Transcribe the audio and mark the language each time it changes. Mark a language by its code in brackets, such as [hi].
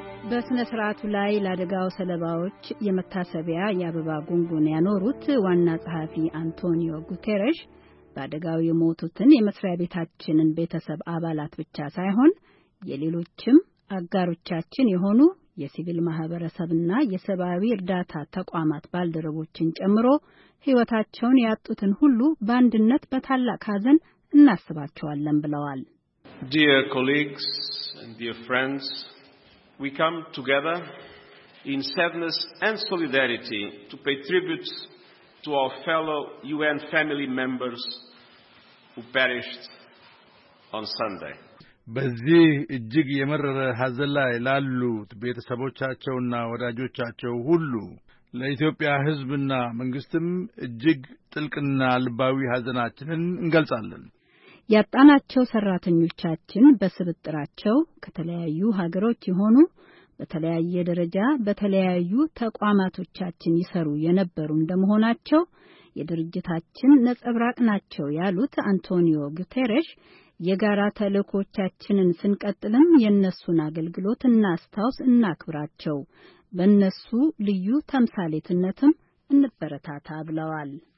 [am] በስነ ስርዓቱ ላይ ለአደጋው ሰለባዎች የመታሰቢያ የአበባ ጉንጉን ያኖሩት ዋና ጸሐፊ አንቶኒዮ ጉቴረሽ በአደጋው የሞቱትን የመስሪያ ቤታችንን ቤተሰብ አባላት ብቻ ሳይሆን የሌሎችም አጋሮቻችን የሆኑ የሲቪል ማህበረሰብና የሰብአዊ እርዳታ ተቋማት ባልደረቦችን ጨምሮ ህይወታቸውን ያጡትን ሁሉ በአንድነት በታላቅ ሀዘን እናስባቸዋለን ብለዋል። [en] Dear colleagues and dear friends, we come together in sadness and solidarity to pay tribute to our fellow UN family members who perished on Sunday. [am] በዚህ እጅግ የመረረ ሀዘን ላይ ላሉት ቤተሰቦቻቸውና ወዳጆቻቸው ሁሉ ለኢትዮጵያ ህዝብና መንግስትም እጅግ ጥልቅና ልባዊ ሀዘናችንን እንገልጻለን። ያጣናቸው ሰራተኞቻችን በስብጥራቸው ከተለያዩ ሀገሮች የሆኑ በተለያየ ደረጃ በተለያዩ ተቋማቶቻችን ይሰሩ የነበሩ እንደመሆናቸው የድርጅታችን ነጸብራቅ ናቸው ያሉት አንቶኒዮ ጉቴረሽ የጋራ ተልእኮቻችንን ስንቀጥልም የነሱን አገልግሎት እናስታውስ እናክብራቸው በነሱ ልዩ ተምሳሌትነትም እንበረታታ ብለዋል።